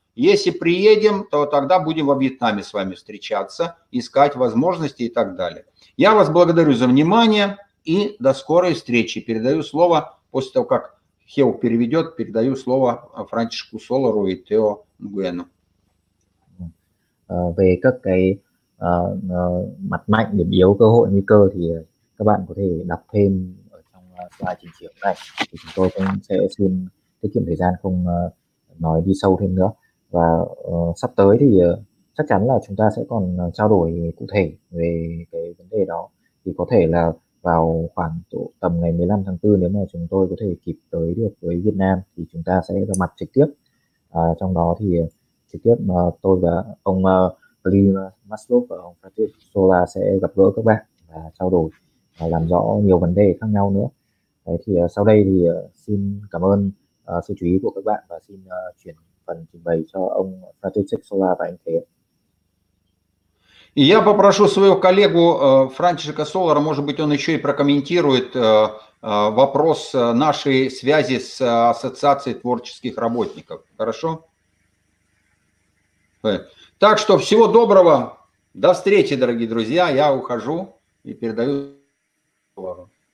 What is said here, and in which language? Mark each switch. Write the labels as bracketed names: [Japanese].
[Russian] Если приедем, то тогда будем во Вьетнаме с вами встречаться, искать возможности и так далее. Я вас благодарю за внимание и до скорой встречи. Передаю слово, после того, как Хео переведет, передаю слово Франциску Солору и Тео Нгуэну. [Vietnamese] Về các cái mặt mạnh điểm yếu cơ hội nguy cơ thì các bạn có thể đọc thêm ở trong slide trình chiếu này thì chúng tôi cũng sẽ xin tiết kiệm thời gian không nói đi sâu thêm nữa và sắp tới thì chắc chắn là chúng ta sẽ còn trao đổi cụ thể về cái vấn đề đó thì có thể là vào khoảng tầm ngày 15 tháng 4 nếu mà chúng tôi có thể kịp tới được với Việt Nam thì chúng ta sẽ gặp mặt trực tiếp trong đó thì trực tiếp mà tôi và ông Lee Maslow và ông Patrick Sola sẽ gặp gỡ các bạn và trao đổi và làm rõ nhiều vấn đề khác nhau nữa. Đấy, thì sau đây thì xin cảm ơn sự chú ý của các bạn và xin chuyển phần trình bày cho ông Patrick Sola và anh Thế. [Russian] Я попрошу своего коллегу Франциска Солора, может быть, он еще и прокомментирует вопрос нашей связи с Ассоциацией творческих работников. Хорошо? Так что всего доброго, до встречи, дорогие друзья, я ухожу и передаю слово.